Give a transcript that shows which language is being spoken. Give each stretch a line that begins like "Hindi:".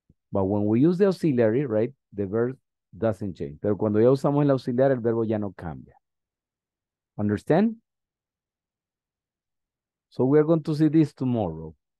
English: But when we use the auxiliary, right, the verb doesn't change.
Spanish: Pero cuando ya usamos el auxiliar, el verbo ya no cambia.
English: Understand? So we are going to see this tomorrow.